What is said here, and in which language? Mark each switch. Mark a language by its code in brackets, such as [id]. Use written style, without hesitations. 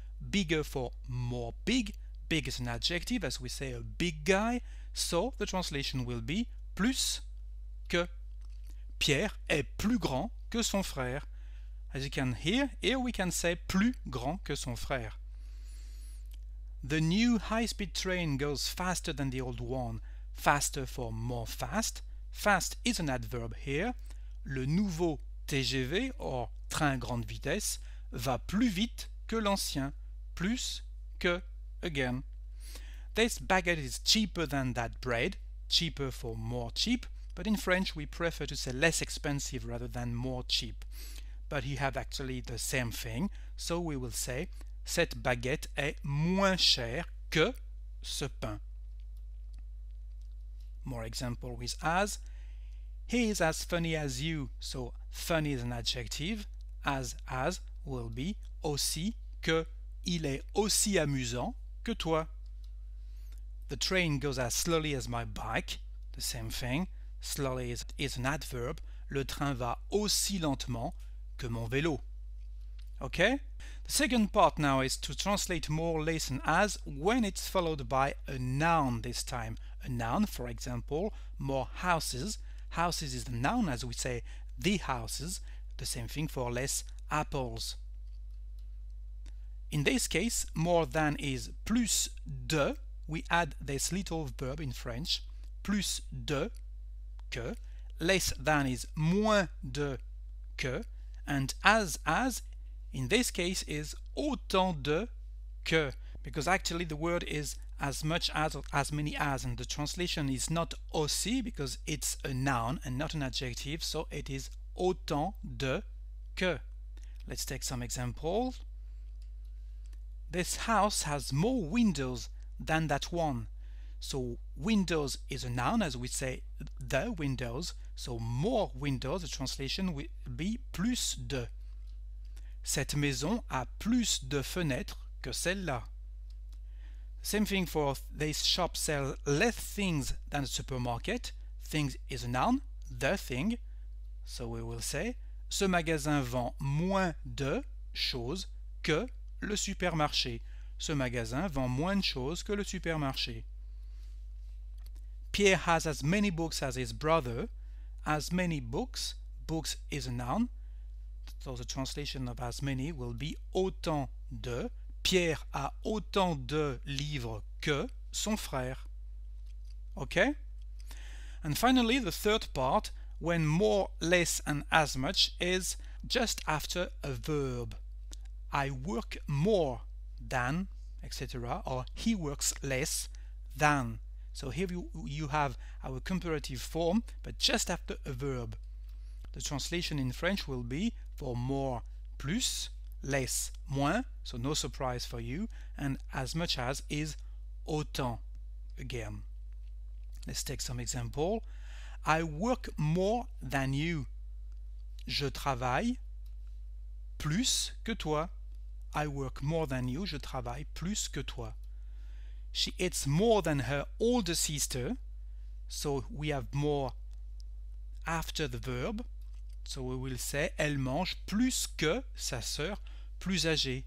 [en] Bigger for more big. Big is an adjective, as we say a big guy, so the translation will be plus que. [fr] Pierre est plus grand que son frère. [en] As you can hear, here we can say [fr] plus grand que son frère. [en] The new high-speed train goes faster than the old one. Faster for more fast. Fast is an adverb here. [fr] Le nouveau TGV, or train grande vitesse, va plus vite que l'ancien. Plus que. [en] Again, this baguette is cheaper than that bread, cheaper for more cheap, but in French we prefer to say less expensive rather than more cheap. But you have actually the same thing, so we will say [fr] cette baguette est moins chère que ce pain. [en] More example with as. He is as funny as you, so funny is an adjective, as will be aussi que. [fr] Il est aussi amusant que toi. [en] The train goes as slowly as my bike. The same thing. Slowly is an adverb. [fr] Le train va aussi lentement que mon vélo. [en] Okay? The second part now is to translate more, less, and as when it's followed by a noun this time. A noun, for example, more houses. Houses is a noun, as we say, the houses. The same thing for less apples. In this case, more than is plus de, we add this little verb in French, plus de, que, less than is moins de, que, and as, in this case, is autant de, que, because actually the word is as much as, or as many as, and the translation is not aussi, because it's a noun and not an adjective, so it is autant de, que. Let's take some examples. This house has more windows than that one. So windows is a noun, as we say the windows. So more windows, the translation will be plus de. [fr] Cette maison a plus de fenêtres que celle-là. [en] Same thing for this shop sells less things than a supermarket. Things is a noun, the thing. So we will say [fr] ce magasin vend moins de choses que le supermarché. Ce magasin vend moins de choses que le supermarché. [en] Pierre has as many books as his brother. As many books. Books is a noun. So the translation of as many will be autant de. [fr] Pierre a autant de livres que son frère. [en] Okay? And finally, the third part, when more, less, and as much, is just after a verb. I work more than, etc., or he works less than. So here you have our comparative form, but just after a verb. The translation in French will be for more, plus, less, moins, so no surprise for you, and as much as is autant again. Let's take some example. I work more than you. [fr] Je travaille plus que toi. [en] I work more than you, [fr] je travaille plus que toi. [en] She eats more than her older sister, so we have more after the verb. So we will say, [fr] elle mange plus que sa sœur plus âgée.